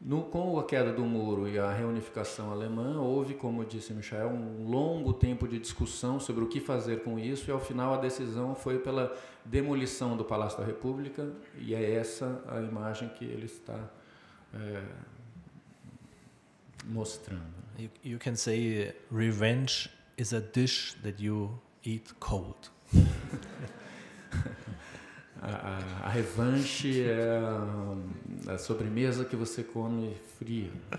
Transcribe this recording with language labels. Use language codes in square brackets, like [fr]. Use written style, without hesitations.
[pt] Com a queda do muro e a reunificação alemã, houve, como disse Michael, um longo tempo de discussão sobre o que fazer com isso, e, ao final, a decisão foi pela demolição do Palácio da República, e é essa a imagem que ele está mostrando. [en] You can say revenge is a dish that you eat cold. [pt] A revanche é a sobremesa que você come fria.